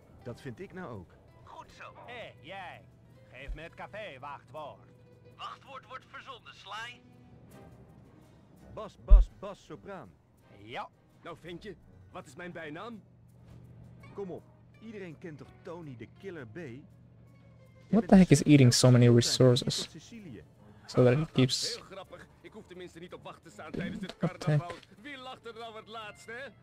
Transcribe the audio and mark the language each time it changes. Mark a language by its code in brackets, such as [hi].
[nl] Dat vind ik nou ook. Goed zo. Hé, hey, jij. Geef me het café wachtwoord. Wachtwoord wordt verzonden, Sly. Bas, Bas, Bas, sopraan. Ja. Nou, vind je, wat is mijn bijnaam? Kom op. Iedereen kent toch Tony de Killer B? [en] What the heck is eating so many resources? So that it keeps... [nl] Ik hoef tenminste niet op wacht te staan tijdens het carnaval. Wie lacht er nou het laatst, hè?